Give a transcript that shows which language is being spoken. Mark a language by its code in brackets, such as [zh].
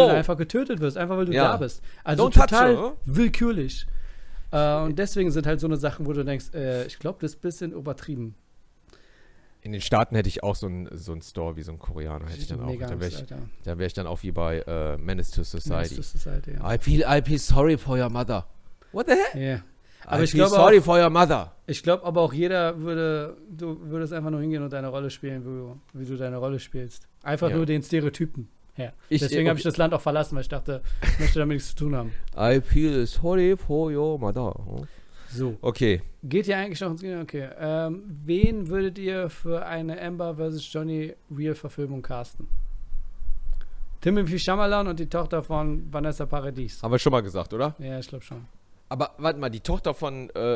[de] Du dann einfach getötet wirst, einfach weil du ja. Da bist. Also don't total willkürlich. Und deswegen sind halt so eine Sachen, wo du denkst, ich glaube, das ist ein bisschen übertrieben. In den Staaten hätte ich auch so ein Store wie so ein Koreaner. Hätte ich dann auch. Dann wäre ich auch wie bei Menace to Society. [en] I feel sorry for your mother. What the hell? Yeah. I feel sorry for your mother. [de] Ich glaube aber auch jeder würde, du würdest einfach nur hingehen und deine Rolle spielen, wie du deine Rolle spielst. Einfach ja. Nur den Stereotypen her. Deswegen habe ich das Land auch verlassen, weil ich dachte, ich möchte damit nichts zu tun haben. [en] I feel sorry for your mother. [de] So. Okay. Geht ihr eigentlich noch ins Kino? Okay. Wen würdet ihr für eine Amber vs. Johnny Real-Verfilmung casten? Timothée Chalamet und die Tochter von Vanessa Paradis. Haben wir schon mal gesagt, oder? Ja, ich glaube schon. Aber warte mal, die Tochter von